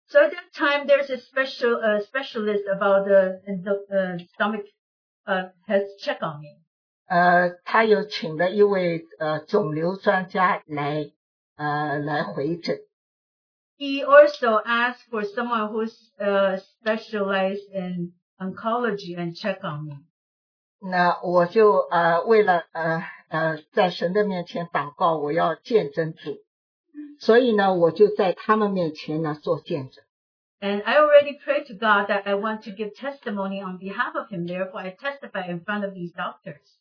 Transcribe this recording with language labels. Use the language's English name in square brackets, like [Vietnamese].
[English] So at that time, there's a special specialist about the stomach has check on me. [Chinese] 他又请了一位肿瘤专家来回诊。 [English] He also asked for someone who's specialized in oncology and check on me. [Chinese] 那我就为了在神的面前祷告，我要见证主。所以呢，我就在他们面前呢做见证。And [English] I already prayed to God that I want to give testimony on behalf of Him. Therefore, I testify in front of these doctors.